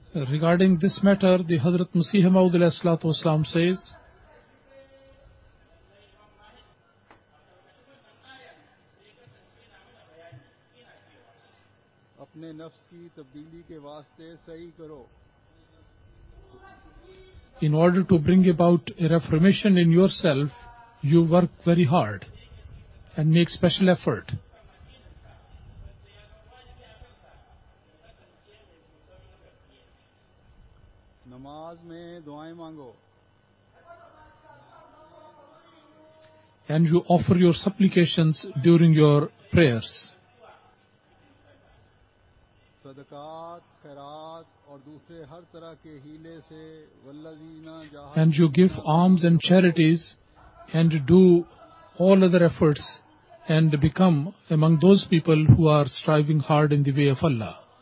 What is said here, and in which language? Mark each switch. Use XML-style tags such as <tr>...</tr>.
<en>Regarding this matter, the Hazrat Masih Maud alayhi salatu wasalam says,</en> <ur>اپنے نفس کی تبدیلی کے واسطے صحیح کرو.</ur> <en>In order to bring about a reformation in yourself, you work very hard and make special effort.</en> <ur>نماز میں دعائیں مانگو.</ur> <en>And you offer your supplications during your prayers.</en> <ur>صدقات خیرات اور دوسرے ہر طرح کے حیلے سے.</ur> <en>And you give alms and charities and do all other efforts and become among those people who are striving hard in the way of Allah.</en>